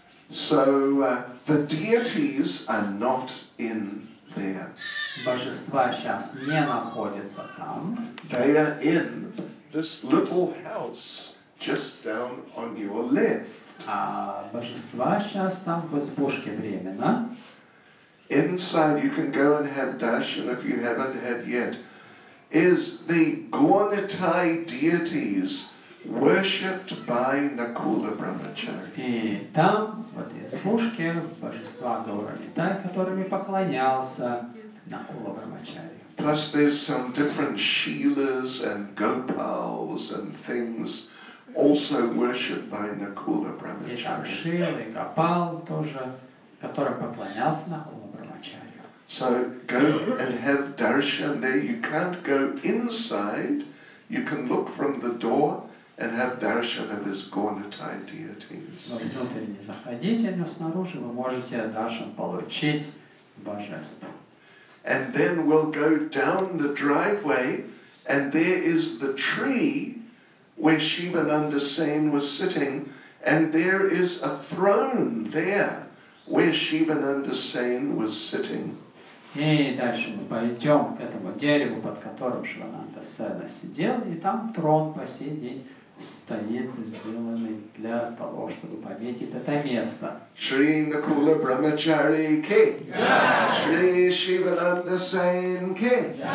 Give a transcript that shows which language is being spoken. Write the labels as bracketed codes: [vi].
[en] So the deities are not in there. [ru] Божества сейчас не находятся там. [en] They are in this little house just down on your left. [ru] А божества сейчас там в избушке временно. [en] Inside you can go and have darshan if you haven't had yet. Is the Gaunatai deities worshipped by Nakula Brahmachari? [ru] И там, в этой избушке, божества Гаунатай, которыми поклонялся Накула Брахмачари. [en] Plus there's some different Shilas and Gopals and things also worshipped by Nakula Brahmachari. [ru] И там Шилы, Гопал тоже, которым поклонялся Накула Брахмачари. [en] So go and have darshan there. You can't go inside. You can look from the door and have darshan of his Gaunatai deities. [ru] Но внутрь не заходите, но снаружи вы можете даршан получить божество. [en] And then we'll go down the driveway, and there is the tree where Shivananda Sen was sitting, And there is a throne there where Shivananda Sen was sitting. [ru] И дальше мы пойдем к этому дереву, под которым Шивананда Сена сидел, и там трон по сей день стоит, сделанный для того, чтобы пометить это место. [bn] Шри Накула Брамачари Ке. Шри Шивананда Сен Ке.